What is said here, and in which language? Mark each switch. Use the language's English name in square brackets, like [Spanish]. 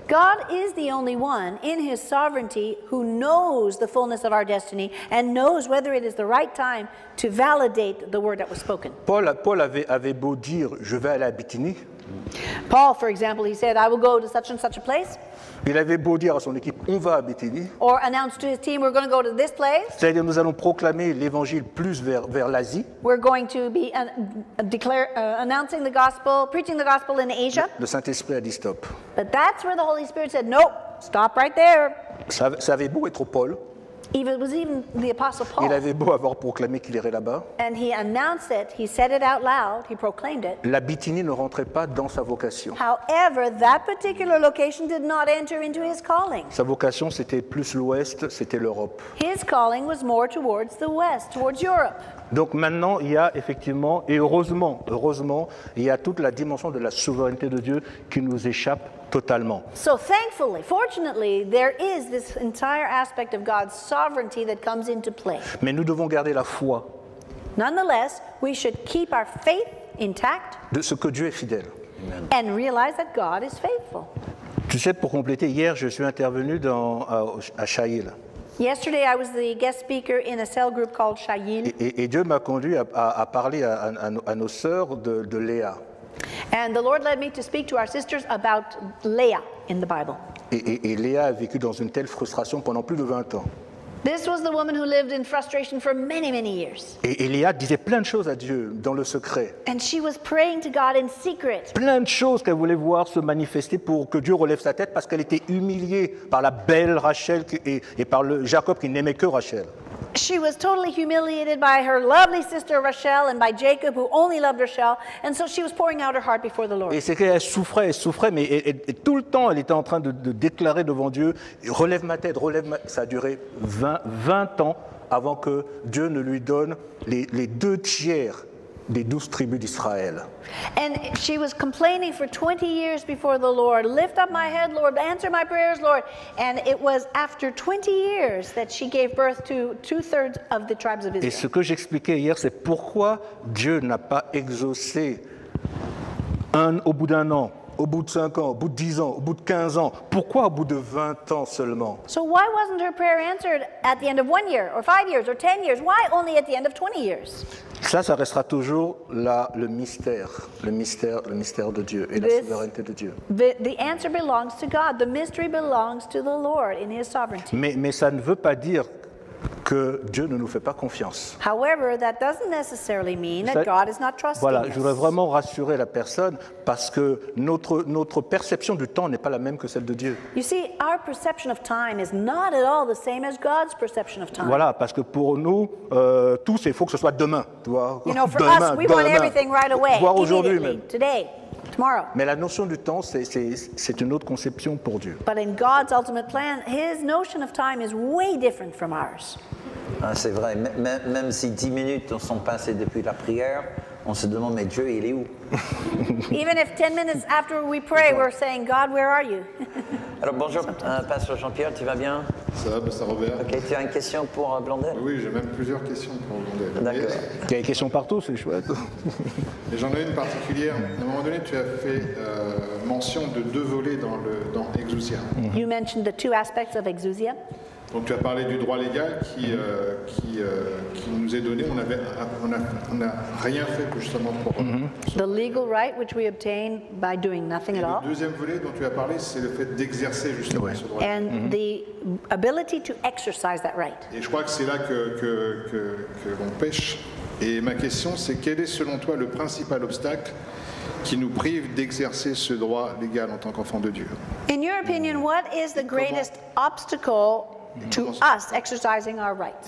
[English] God is the only one in his sovereignty who knows the fullness of our destiny and knows whether it is the right time to validate the word that was spoken. [French] Paul avait beau dire, je vais aller à Bithynie. [English] Paul, for example, he said, I will go to such and such a place. [French] Il avait beau dire à son équipe, on va à Bithynie. [English] Or announce to his team, we're going to go to this place. [French] C'est-à-dire, nous allons proclamer l'évangile plus vers l'Asie. [English] We're going to be announcing the gospel, preaching the gospel in Asia. [French] Le Saint-Esprit a dit stop. [English] But that's where the Holy Spirit said, nope, stop right there. [French] Ça avait beau être Paul. [English] Even, was even the Apostle Paul. [French] Il avait beau avoir proclamé qu'il irait là-bas. [English] And he announced it, he said it out loud, he proclaimed it. [French] La Bithynie ne rentrait pas dans sa vocation. [English] However, that particular location did not enter into his calling. [French] Sa vocation, c'était plus l'Ouest, c'était l'Europe. [English] His calling was more towards the West, towards Europe. [French] Donc maintenant, il y a effectivement, et heureusement, il y a toute la dimension de la souveraineté de Dieu qui nous échappe totalement. [English] So thankfully, fortunately, there is this entire aspect of God's sovereignty that comes into play. [French] Mais nous devons garder la foi. [English] Nonetheless, we should keep our faith intact. [French] De ce que Dieu est fidèle. [English] And realize that God is faithful. [French] Tu sais, pour compléter, hier, je suis intervenu à Chaïl. [English] Yesterday, I was the guest speaker in a cell group called Chaïl. [French] Et Dieu m'a conduit à parler à nos sœurs de Léa. [English] And the Lord led me to speak to our sisters about Léa in the Bible. [French] Et Léa a vécu dans une telle frustration pendant plus de 20 ans. [English] This was the woman who lived in frustration for many, many years. [French] Et Léa disait plein de choses à Dieu dans le secret. [English] And she was praying to God in secret. [French] Plein de choses qu'elle voulait voir se manifester pour que Dieu relève sa tête parce qu'elle était humiliée par la belle Rachel et par le Jacob qui n'aimait que Rachel. [English] She was totally humiliated by her lovely sister Rachel and by Jacob who only loved Rachel, and so she was pouring out her heart before the Lord. [French] Et c'est qu'elle souffrait, elle souffrait, mais et tout le temps elle était en train de déclarer devant Dieu, relève ma tête, relève ma... Ça a duré 20 ans avant que Dieu ne lui donne les deux tiers des 12 tribus d'Israël. [English] And she was complaining for 20 years before the Lord. Lift up my head, Lord, answer my prayers, Lord. And it was after 20 years that she gave birth to 2/3 of the tribes of Israel. [French] Et ce que j'expliquais hier, c'est pourquoi Dieu n'a pas exaucé au bout d'un an, au bout de 5 ans, au bout de 10 ans, au bout de 15 ans. Pourquoi au bout de 20 ans seulement? [English] So why wasn't her prayer answered at the end of 1 year or 5 years or 10 years? Why only at the end of 20 years? [French] Ça restera toujours là le mystère de Dieu et la souveraineté de Dieu. [English] The answer belongs to God. The mystery belongs to the Lord in his sovereignty. [French] Mais ça ne veut pas dire que Dieu ne nous fait pas confiance. [English] However, that doesn't necessarily mean that God is not trusting us. [French] Voilà, je voudrais vraiment rassurer la personne parce que notre perception du temps n'est pas la même que celle de Dieu. [English] You see, our perception of time is not at all the same as God's perception of time. [French] Voilà, parce que pour nous, tout c'est faut que ce soit demain, tu vois. [English] You know, for [French] demain, [English] us, we [French] demain. [English] Want everything right away. [French] Voir aujourd'hui même. [English] Today. Tomorrow. [French] Mais la notion du temps, c'est une autre conception pour Dieu. [English] But in God's ultimate plan, his notion of time is way different from ours. [French] Ah, c'est vrai. Même si 10 minutes sont passées depuis la prière, on se demande, mais Dieu, il est où? [English] Even if 10 minutes after we pray, we're saying, God, where are you? [French] Alors bonjour, pasteur Jean-Pierre, tu vas bien? Ça va, pasteur Robert. Ok, tu as une question pour Blondel? Oui, j'ai même plusieurs questions pour Blondel. D'accord. Tu as des questions partout, c'est chouette. Et j'en ai une particulière. À un moment donné, tu as fait mention de deux volets dans Exousia. [English] Mm-hmm. You mentioned the two aspects of Exousia. [French] Donc tu as parlé du droit légal qui nous est donné. On a rien fait justement pour. Mm-hmm. [English] The legal right which we obtain by doing nothing [French] et [English] at all. [French] Le deuxième volet dont tu as parlé, c'est le fait d'exercer justement ce droit. [English] And the ability to exercise that right. [French] Et je crois que c'est là que l'on pêche. Et ma question, c'est quel est selon toi le principal obstacle qui nous prive d'exercer ce droit légal en tant qu'enfant de Dieu? [English] In your opinion, what is the greatest obstacle to us exercising our rights?